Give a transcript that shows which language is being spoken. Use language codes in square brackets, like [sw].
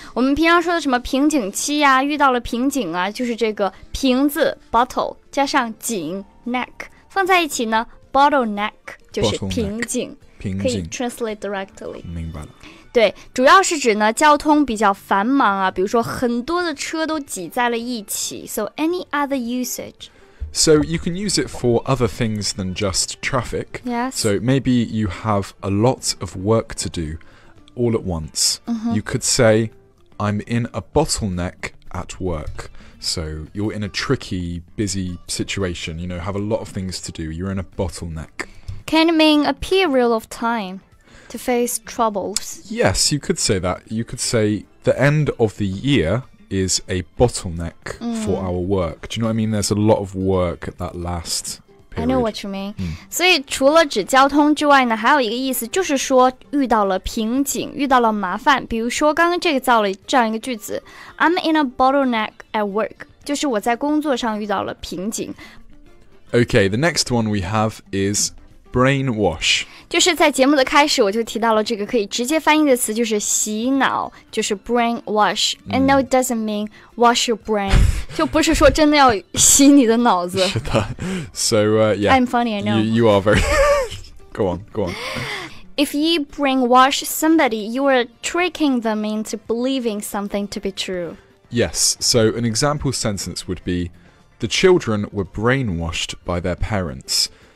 [zh] 我们平常说的什么瓶颈期啊，遇到了瓶颈啊，就是这个瓶子 bottle 加上颈 neck 放在一起呢 bottleneck。就是瓶颈，可以 [en] translate directly。 [zh] 明白了。对，主要是指呢交通比较繁忙啊，比如说很多的车都挤在了一起。 [en] So any other usage? So you can use it for other things than just traffic. Yes. So maybe you have a lot of work to do all at once.、 Mm-hmm. You could say, "I'm in a bottleneck at work." So you're in a tricky, busy situation. You know, have a lot of things to do. You're in a bottleneck. Can it mean a period of time to face troubles? Yes, you could say that. You could say the end of the year is a bottleneck、mm. for our work. Do you know what I mean? There's a lot of work at that last period. I know what you mean.、Mm. [zh] 所以除了指交通之外呢，还有一个意思就是说遇到了瓶颈，遇到了麻烦。比如说刚刚这个造了这样一个句子 [en] I'm in a bottleneck at work. [zh] 就是我在工作上遇到了瓶颈。 [en] Okay, the next one we have is... Brainwash. [zh] 就是在节目的开始我就提到了这个可以直接翻译的词就是洗脑就是 brainwash. [en] And no, it doesn't mean wash your brain. [zh] 就不是说真的要洗你的脑子。是的。So, yeah. [en] I'm funny, I know. You are very... go on. If you brainwash somebody, you are tricking them into believing something to be true. Yes. So an example sentence would be, the children were brainwashed by their parents.